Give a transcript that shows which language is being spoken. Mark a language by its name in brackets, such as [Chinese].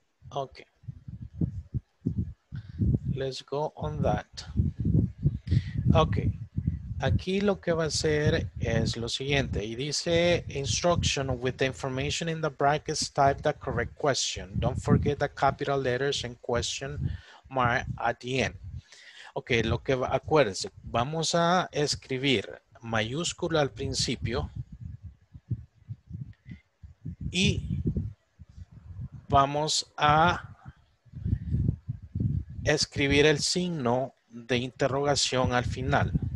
[English] Ok. Let's go on that. Ok. [Spanish] Aquí lo que va a hacer es lo siguiente. Y dice [English] instruction with the information in the brackets, type the correct question. Don't forget the capital letters and question mark at the end. [Spanish] Ok, lo que va, acuérdense, vamos a escribir mayúscula al principio y vamos a escribir el signo de interrogación al final.